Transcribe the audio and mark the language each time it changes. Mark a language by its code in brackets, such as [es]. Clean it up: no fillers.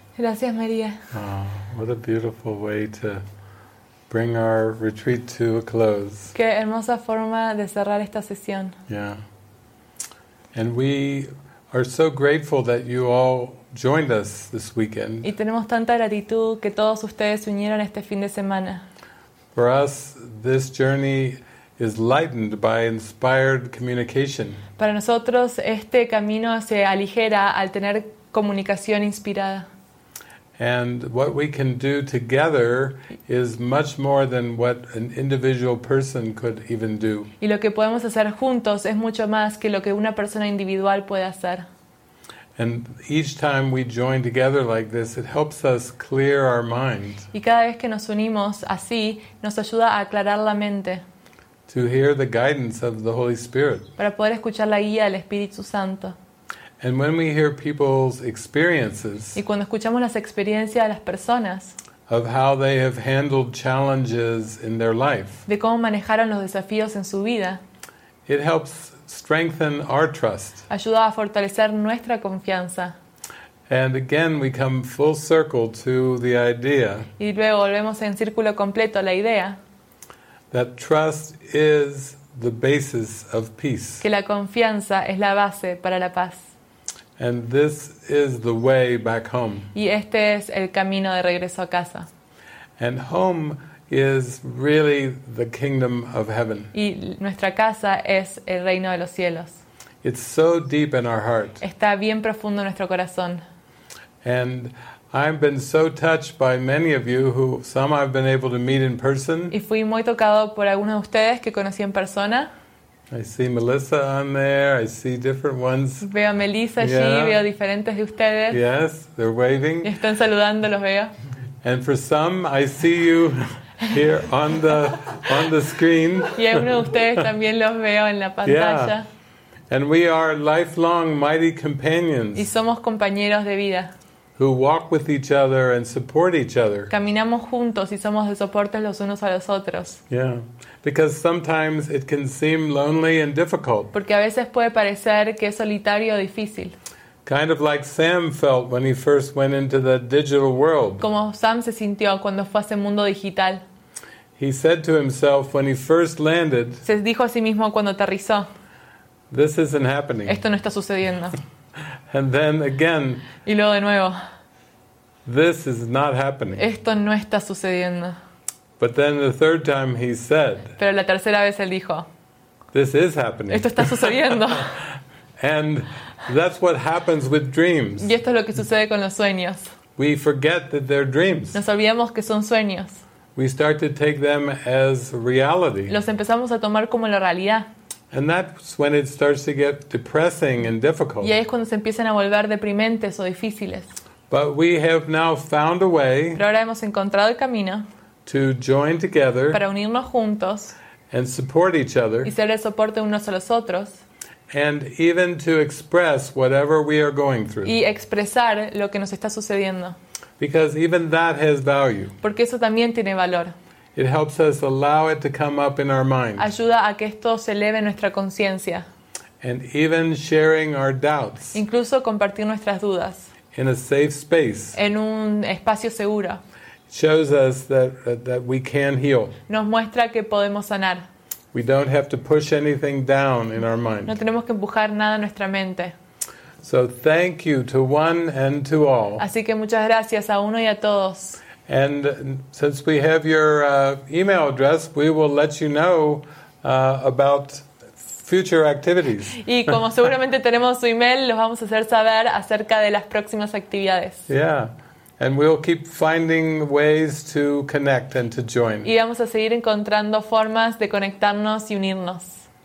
[es] Gracias, María. [en] Oh, what a beautiful way to bring our retreat to a close. [es] Qué hermosa forma de cerrar esta sesión. [en] Yeah. And we are so grateful that you all joined us this weekend. [es] Y tenemos tanta gratitud que todos ustedes se unieron este fin de semana. [en] For us, this journey is lightened by inspired communication. [es] Para nosotros este camino se aligera al tener comunicación inspirada. [en] And what we can do together is much more than what an individual person could even do. [es] Y lo que podemos hacer juntos es mucho más que lo que una persona individual puede hacer. [en] And each time we join together like this, it helps us clear our mind. [es] Y cada vez que nos unimos así, nos ayuda a aclarar la mente. [en] To hear the guidance of the Holy Spirit. [es] Para poder escuchar la guía del Espíritu Santo. [en] And when we hear people's experiences. [es] Y cuando escuchamos las experiencias de las personas. [en] Of how they have handled challenges in their life. [es] De cómo manejaron los desafíos en su vida. [en] It helps strengthen our trust. [es] Ayuda a fortalecer nuestra confianza. [en] And again, we come full circle to the idea. [es] Y luego volvemos en círculo completo a la idea. [en] That trust is the basis of peace. [es] Que la confianza es la base para la paz. [en] And this is the way back home. [es] Y este es el camino de regreso a casa. [en] And home is really the kingdom of heaven. [es] Y nuestra casa es el reino de los cielos. [en] It's so deep in our heart. [es] Está bien profundo en nuestro corazón. [en] And I've been so touched by many of you who some I've been able to meet in person. [es] Y fui muy tocado por algunos de ustedes que conocí en persona. [en] I see Melissa on there. I see different ones. [es] Veo a Melissa allí, veo diferentes de ustedes. [en] Yes, they're waving. [es] Y están saludando, los veo. [en] And for some, I see you here on the screen. [es] Y a uno de ustedes también los veo en la pantalla. [en] Yeah. And we are lifelong mighty companions. [es] Y somos compañeros de vida. [en] Who walk with each other and support each other. [es] Caminamos juntos y somos de soporte los unos a los otros. [en] Yeah. Because sometimes it can seem lonely and difficult. [es] Porque a veces puede parecer que es solitario o difícil. [en] Kind of like Sam felt when he first went into the digital world. [es] Como Sam se sintió cuando fue a ese mundo digital. [en] He said to himself when he first landed. [es] Se dijo a sí mismo cuando aterrizó. [en] This isn't happening. [es] Esto no está sucediendo. [en] And then again. [es] Y luego de nuevo. [en] This is not happening. [es] Esto no está sucediendo. [en] But then the third time he said. [es] Pero la tercera vez él dijo. [en] This is happening. [es] Esto está sucediendo. [en] And that's what happens with dreams. [es] Y esto es lo que sucede con los sueños. [en] We forget that they're dreams. [es] Nos olvidamos que son sueños. [en] We start to take them as reality. [es] Los empezamos a tomar como la realidad. [en] And that's when it starts to get depressing and difficult. [es] Y ahí es cuando se empiezan a volver deprimentes o difíciles. [en] But we have now found a way. [es] Pero ahora hemos encontrado el camino. [en] To join together. [es] Para unirnos juntos. [en] And support each other. [es] Y ser de soporte unos a los otros. [en] And even to express whatever we are going through. [es] Y expresar lo que nos está sucediendo. [en] Because even that has value. [es] Porque eso también tiene valor. [en] It helps us allow it to come up in our mind. [es] Ayuda a que esto se eleve en nuestra conciencia. [en] And even sharing our doubts. [es] Incluso compartir nuestras dudas. [en] In a safe space. [es] En un espacio seguro. [en] Shows us that we can heal. [es] Nos muestra que podemos sanar. [en] We don't have to push anything down in our mind. [es] No tenemos que empujar nada en nuestra mente. [en] So thank you to one and to all. [es] Así que muchas gracias a uno y a todos. [en] And since we have your email address, we will let you know about future activities. [es] Y como seguramente tenemos su email, los vamos a hacer saber acerca de las próximas actividades. [en] Yeah, and we'll keep finding ways to connect and to join. [es] Y vamos a seguir encontrando formas de conectarnos y unirnos.